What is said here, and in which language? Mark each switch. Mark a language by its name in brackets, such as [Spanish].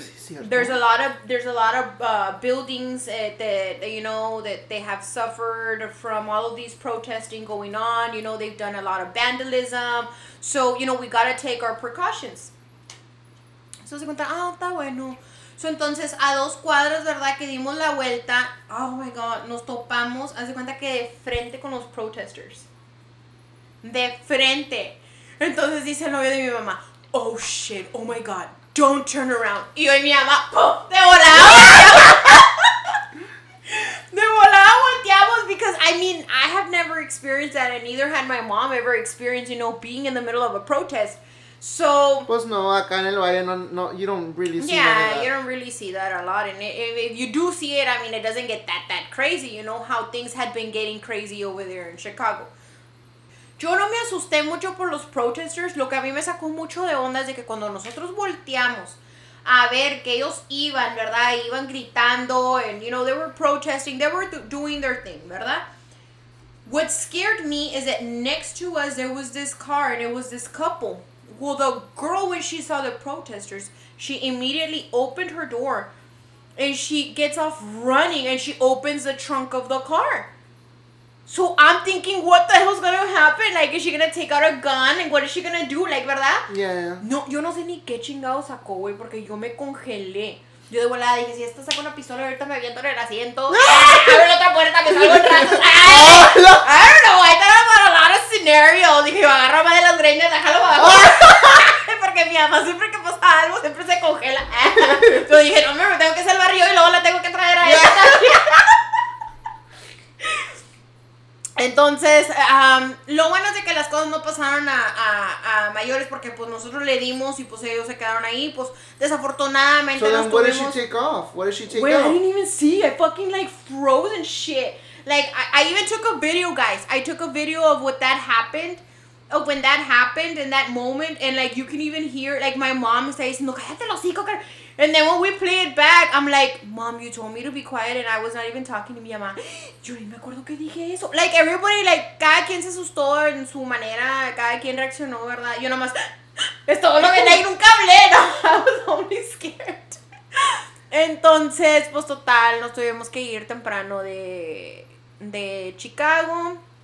[English] There's a lot of buildings that you know that they have suffered from all of these protesting going on. You know, they've done a lot of vandalism. So, you know, we gotta take our precautions. [Spanish] So se cuenta, ah, está bueno. So entonces a dos cuadras, verdad, que dimos la vuelta. Oh my God, nos topamos. Haz de cuenta que de frente con los protesters. De frente. Entonces dice el novio de mi mamá, oh shit, oh my God. Don't turn around. Y yo y mi mamá, ¡pum! ¡De volada! ¡De volada volteamos! [English] Because, I mean, I have never experienced that, and neither had my mom ever experienced, you know, being in the middle of a protest. So... [Spanish] Pues no, acá en el valle, no, you don't really see [English] that. Yeah, you don't really see that a lot. And if you do see it, I mean, it doesn't get that crazy. You know how things had been getting crazy over there in Chicago. [Spanish] Yo no me asusté mucho por los protesters. Lo que a mí me sacó mucho de onda es de que cuando nosotros volteamos a ver que ellos iban, ¿verdad? [English] Iban gritando and, you know, they were protesting. They were doing their thing, ¿verdad? What scared me is that next to us, there was this car and it was this couple. Well, the girl, when she saw the protesters, she immediately opened her door and she gets off running and she opens the trunk of the car. So I'm thinking, what the hell's gonna happen? Like, is she gonna take out a gun? And what is she gonna do? Like, ¿verdad? Yeah. [Spanish] No, yo no sé ni qué chingado sacó, güey, porque yo me congelé. Yo de volada dije, si esta saca una pistola, ahorita me aviento en el asiento. Abro la otra puerta, me salgo en ratos. ¡Ay! [English] I don't know, I thought about a lot of scenarios. [Spanish] Dije, agárrame de las greñas, déjalo abajo. Porque mi mamá siempre que pasa algo, siempre se congela. Yo dije, no, me tengo que salvar yo y luego la tengo que traer a ella también. Entonces, lo bueno es de que las cosas no pasaron a mayores porque, pues, nosotros le dimos y, pues, ellos se quedaron ahí. Pues, desafortunadamente [English] nos tuvimos... So then, what did she take off? Wait, I didn't even see. I fucking, like, froze and shit. Like, I even took a video, guys. I took a video of what that happened, of when that happened in that moment. And, like, you can even hear, like, my mom says, no, cállate los hijos, cara. And then when we play it back, I'm like, mom, you told me to be quiet, and I was not even talking to mi mamá. [Spanish] Yo ni me acuerdo que dije eso. Like, everybody, like, cada quien se asustó en su manera, cada quien reaccionó, ¿verdad? Yo nomás, es todo lo que hay, nunca hablé, no, I was only scared. Entonces, pues, total, nos tuvimos que ir temprano de Chicago.